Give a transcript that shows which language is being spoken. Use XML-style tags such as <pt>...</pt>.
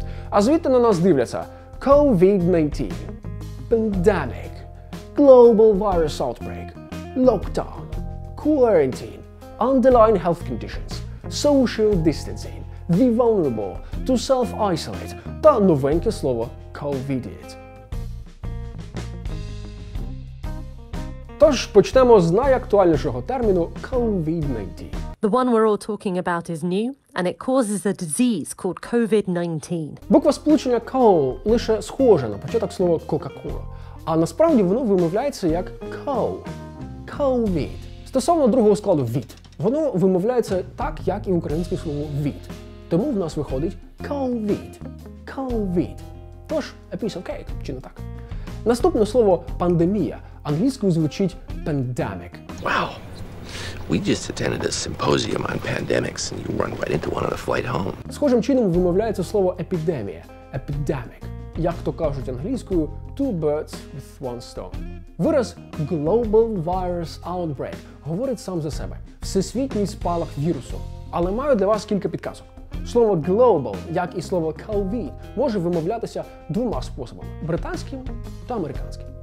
<uk>А звідти на нас дивляться COVID-19,</uk> <en>Pandemic, Global Virus Outbreak, Lockdown, Quarantine, Underlying Health Conditions, Social Distancing, The Vulnerable, To Self-Isolate</en> <uk>та новеньке слово COVIDiate. Тож, почнемо з найактуальнішого терміну COVID-19.</uk> <en>The one we're all talking about is new, and it causes a disease called COVID-19.</en> <uk>Буква сполучення co лише схожа на початок слова Coca-Cola, а насправді воно вимовляється як co.</uk> <en>COVID.</en> <uk>Стосовно другого складу від, воно вимовляється так, як і українське слово від. Тому в нас виходить COVID. COVID. Тож,</uk> <en>a piece of cake,</en> <uk>чи не так? Наступне слово пандемія англійською звучить pandemic.</uk> <en>Wow. We just attended a symposium on pandemics and you run right into one on the flight home.</en> <uk>Схожим чином вимовляється слово епідемія, epidemic. Як то кажуть англійською,</uk> <en>two birds with one stone.</en> <uk>Вираз</uk> <en>global virus outbreak</en> <uk>говорить сам за себе. Всесвітній спалах вірусу. Але маю для вас кілька підказок. Слово global, як і слово COVID, може вимовлятися двома способами – британським та американським.</uk>